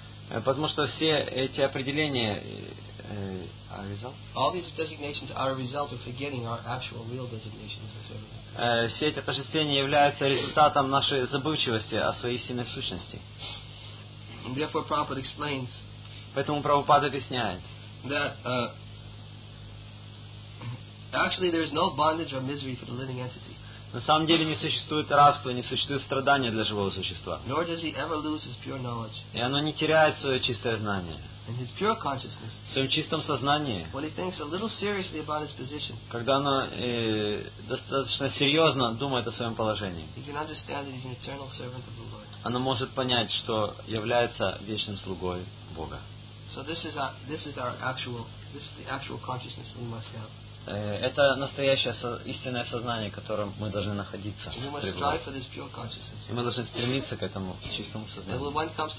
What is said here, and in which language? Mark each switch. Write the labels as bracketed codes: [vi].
[ru] Потому что все эти определения [en] a result. All these designations are a result of forgetting our actual real designation as a servant. [ru] Все эти отождествления являются результатом нашей забывчивости о своей истинной сущности. [en] And therefore, Prabhupada explains. [ru] Поэтому Прабхупада объясняет. [en] That actually there is no bondage or misery for the living entity. [ru] На самом деле не существует рабства, не существует страдания для живого существа. [en] Nor does he ever lose his pure knowledge. [ru] И оно не теряет свое чистое знание. [en] In his pure consciousness. [ru] В своем чистом сознании. [en] When he thinks a little seriously about his position. [ru] Когда оно достаточно серьезно думает о своем положении. [en] He can understand that he's an eternal servant of the Lord. [ru] Оно может понять, что является вечным слугой Бога. [en] So this is the actual consciousness we must have. [ru] Это настоящее истинное сознание, которым мы должны находиться. И мы должны стремиться к этому чистому сознанию.